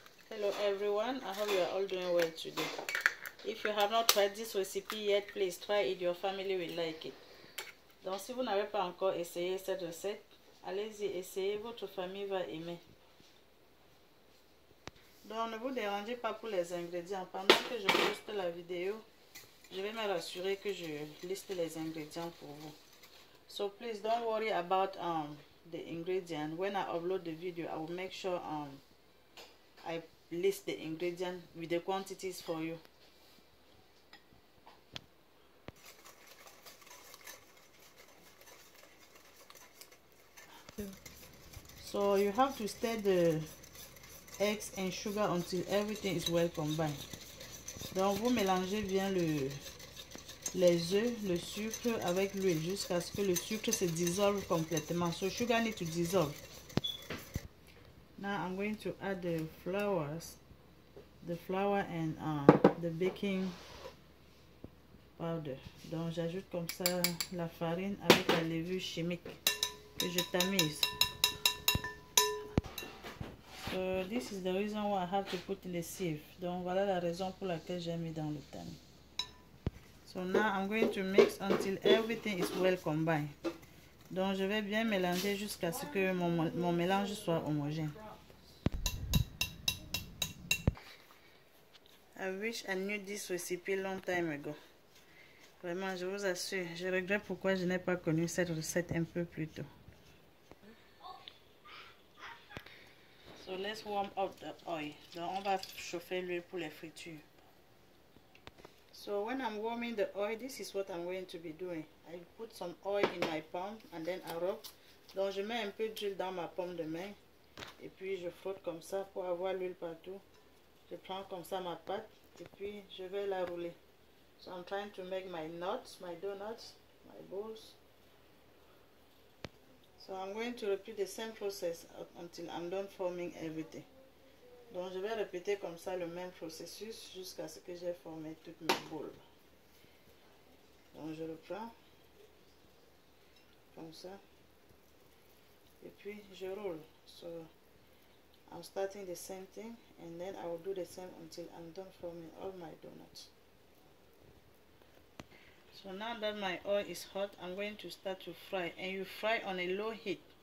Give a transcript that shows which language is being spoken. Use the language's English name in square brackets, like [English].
[English] Hello everyone, I hope you are all doing well today. If you have not tried this recipe yet, please try it, your family will like it. [French] Donc si vous n'avez pas encore essayé cette recette, allez-y, essayez, votre famille va aimer. Donc ne vous dérangez pas pour les ingrédients. Pendant que je poste la vidéo, je vais me rassurer que je liste les ingrédients pour vous. [English] So please don't worry about the ingredient. When I upload the video, I will make sure I list the ingredient with the quantities for you. So you have to stir the eggs and sugar until everything is well combined. [French] Donc vous mélangez bien les œufs, le sucre avec l'huile jusqu'à ce que le sucre se dissolve complètement. [English] So sugar need to dissolve. Now I'm going to add the flours, the flour and the baking powder. [French] Donc j'ajoute comme ça la farine avec la levure chimique que je tamise. [English] So this is the reason why I have to put in the sieve. [French] Donc voilà la raison pour laquelle j'ai mis dans le tamis. [English] So now I'm going to mix until everything is well combined. [French] Donc je vais bien mélanger jusqu'à ce que mon mélange soit homogène. [English] I wish I knew this recipe long time ago. [French] Vraiment, je vous assure, je regrette pourquoi je n'ai pas connu cette recette un peu plus tôt. [English] So let's warm up the oil. [French] Donc on va chauffer l'huile pour les fritures. [English] So when I'm warming the oil, this is what I'm going to be doing. I put some oil in my palm and then I rub. [French] Donc je mets un peu d'huile dans ma paume de main et puis je frotte comme ça pour avoir l'huile partout. Je prends comme ça ma pâte et puis je vais la rouler. [English] So I'm trying to make my nuts, my donuts, my balls. So I'm going to repeat the same process until I'm done forming everything. [French] Donc je vais répéter comme ça le même processus jusqu'à ce que j'ai formé toutes mes boules. Donc je le prends comme ça et puis je roule. [English] So I'm starting the same thing and then I will do the same until I'm done forming all my donuts. So now that my oil is hot, I'm going to start to fry, and you fry on a low heat.